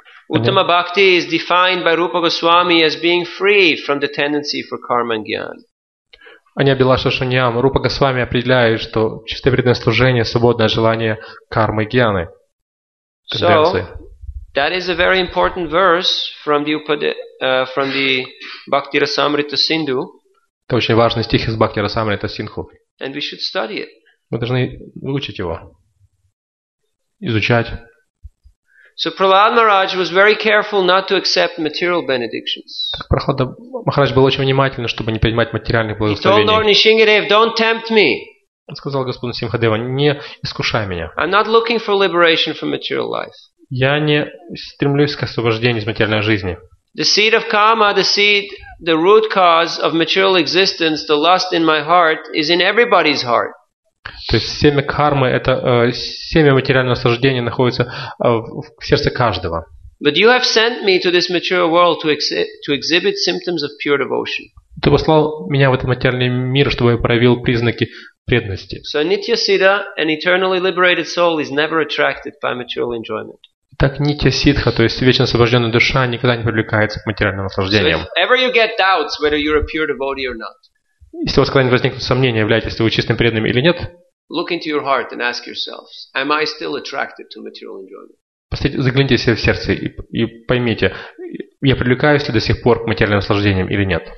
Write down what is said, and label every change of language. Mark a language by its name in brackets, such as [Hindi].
[English] Uttama bhakti is defined by Rupa Goswami as being free from the tendency for karma and gyana. [Sanskrit] Anya bilashita shunyam, [Russian] Rupa Goswami определяет, что чистое преданное служение свободное желание кармы и гьяны. [English] So that is a very important verse from the Bhakti Rasamrita Sindhu. [Russian] Это очень важный стих из Бхакти Расамрита Синдху. [English] And we should study it. [Russian] Мы должны выучить его, изучать. [English] So Prahlad Maharaj was very careful not to accept material benedictions. [Russian] Prahlad Maharaj был очень внимателен, чтобы не принимать материальных благословений. [English] He told Lord Nishingadev, "Don't tempt me." [Russian] Он сказал Господу Симхадева, не искушай меня. [English] I'm not looking for liberation from material life. [Russian] Я не стремлюсь к освобождению из материальной жизни. [English] The seed of karma, the root cause of material existence, the lust in my heart, is in everybody's heart. [Russian] То есть семя кармы, это семя материального наслаждения находится в сердце каждого. [English] But you have sent me to this material world to exhibit symptoms of pure devotion. [Russian] Ты послал меня в этот материальный мир, чтобы я проявил признаки преданности. [English] So Nitya Siddha, an eternally liberated soul, is never attracted by material enjoyment. [Russian] Так нитья ситха, то есть вечно освобожденная душа, никогда не привлекается к материальным наслаждениям. Если у вас когда-нибудь возникнут сомнения, являетесь ли вы чистым преданным или нет, загляните себе в сердце и поймите, я привлекаюсь ли до сих пор к материальным наслаждениям или нет.